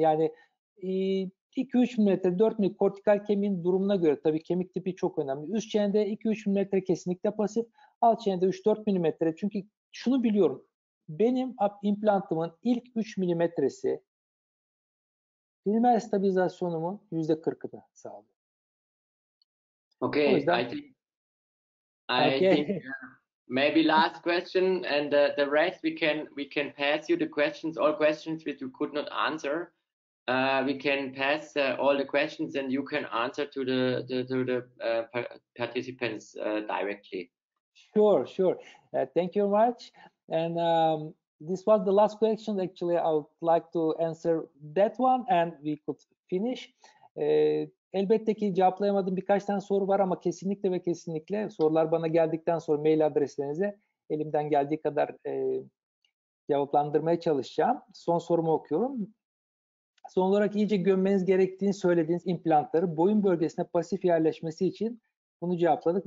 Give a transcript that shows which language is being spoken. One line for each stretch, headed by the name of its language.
Turkish: Yani 2-3 milimetre, 4 milimetre kortikal kemiğin durumuna göre tabii kemik tipi çok önemli. Üst çenede 2-3 milimetre kesinlikle pasif. Alt çenede 3-4 milimetre. Çünkü şunu biliyorum. Benim implantımın ilk 3 milimetresi primer stabilizasyonumun %40'ını sağlıyor. O
English: Okay,
Turkish: yüzden.
English: I think maybe last question and the rest we can pass you the questions, all questions which you could not answer. We can pass all the questions and you can answer to the participants directly. Sure. Thank you much. And this was the last question. Actually, I would like to answer that one and we could finish.
Turkish: Elbette ki cevaplayamadığım birkaç tane soru var ama kesinlikle ve kesinlikle sorular bana geldikten sonra mail adreslerinize elimden geldiği kadar cevaplandırmaya çalışacağım. Son sorumu okuyorum. Son olarak iyice gömmeniz gerektiğini söylediğiniz implantları boyun bölgesine pasif yerleşmesi için bunu cevapladık.